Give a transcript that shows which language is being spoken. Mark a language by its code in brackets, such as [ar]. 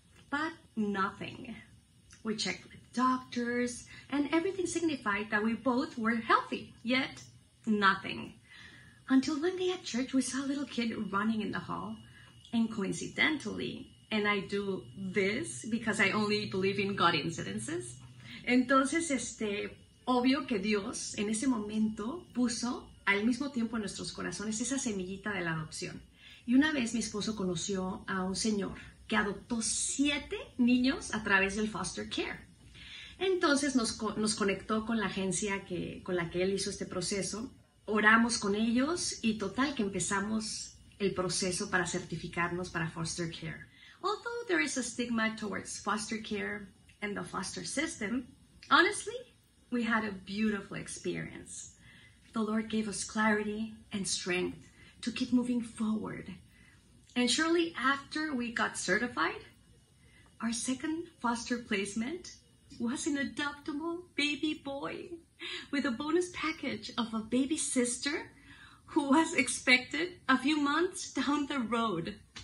[en] But nothing. We checked with doctors and everything signified that we both were healthy, yet nothing. Until one day at church, we saw a little kid running in the hall, and coincidentally, and I do this because I only believe in God incidences. [es] Entonces, obvio que Dios en ese momento puso al mismo tiempo en nuestros corazones esa semillita de la adopción. Y una vez mi esposo conoció a un señor que adoptó 7 niños a través del foster care. Entonces nos conectó con la agencia con la que él hizo este proceso. Oramos con ellos y total que empezamos el proceso para certificarnos para foster care. [en] Although there is a stigma towards foster care and the foster system, honestly, we had a beautiful experience. The Lord gave us clarity and strength to keep moving forward. And shortly after we got certified, our second foster placement was an adoptable baby boy with a bonus package of a baby sister who was expected a few months down the road.